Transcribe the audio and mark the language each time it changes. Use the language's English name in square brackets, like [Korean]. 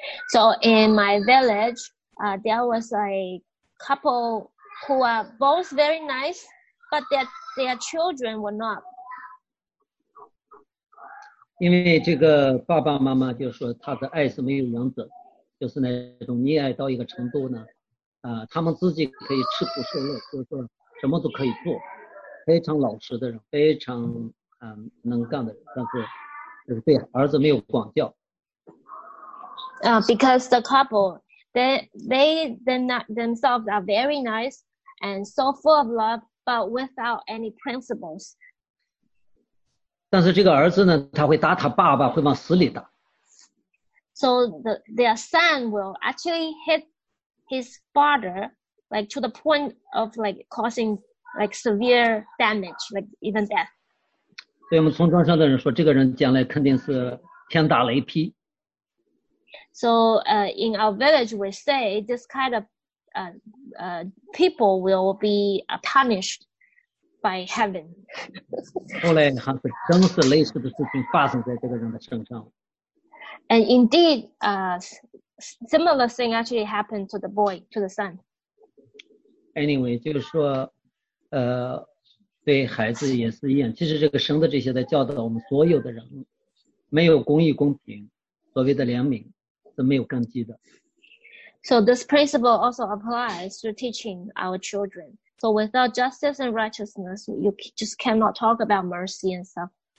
[English] So in my village, there was a couple who are both very nice. But their children were not. [Chinese] 因为这个爸爸妈妈就说他的爱是没有原则，就是那种溺爱到一个程度呢，他们自己可以吃苦受乐，就是说什么都可以做，非常老实的人，非常能干的人，但是就是对儿子没有管教。 [English] Because the couple, themselves are very nice and so full of love. But without any principles. [Chinese] 但是这个儿子呢，他会打他爸爸，会往死里打。 [English] So their son will actually hit his father, like to the point of like causing like severe damage, like even death. [Chinese] 所以我们从庄上的人说，这个人将来肯定是天打雷劈。 [English] So, in our village, we say this kind of people will be punished by heaven. [Chinese] 后来还是真是类似的事情发生在这个人的身上。 [English] And indeed, similar thing actually happened to the boy, to the son. Anyway, [Chinese] 就是说，对孩子也是一样。其实这个神的这些的教导我们所有的人，没有公义公平，所谓的怜悯是没有根基的。 [English] So this principle also applies to teaching our children. So without justice and righteousness, you just cannot talk about mercy and stuff.